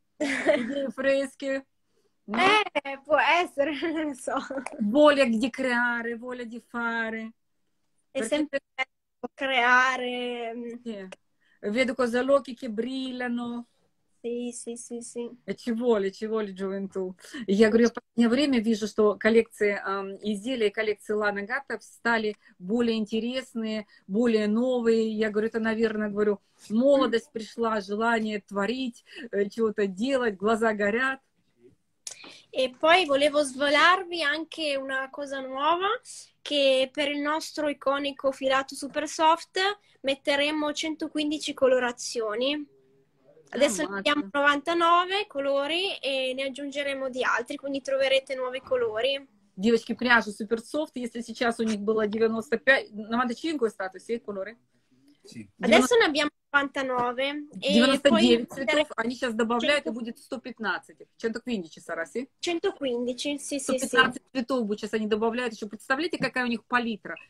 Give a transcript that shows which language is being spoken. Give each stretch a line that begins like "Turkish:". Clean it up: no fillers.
Italian: Idee fresche? No? Può essere, non so. Voglia di creare, voglia di fare. È perché... sempre bello creare. Sì. Vedo cose locche che brillano. Sì, sì, sì, sì. Ci vuole gioventù.
Russian: Я говорю, в последнее время вижу, что коллекции изделий, коллекции Лана Гаттов стали более интересные, более новые. Я говорю, это, наверное, говорю, молодость пришла, желание творить, чего-то делать, глаза горят.
Italian: E poi volevo svelarvi anche una cosa nuova, che per il nostro iconico filato super soft metteremo 115 colorazioni. Adesso ne abbiamo 99 colori e ne aggiungeremo di altri, quindi troverete nuovi colori.
Russian: Девочки, пряжа super soft, если сейчас у них было 95, 95 стало, все colori?
Italian: Sì. Adesso ne abbiamo 99.
Russian: 99 цветов, они сейчас добавляют, и будет 115.
Italian: 115 сара, си? 115, си, си, си.
Russian: 115 цветов будет, сейчас они добавляют еще. Представляете, какая у них палитра?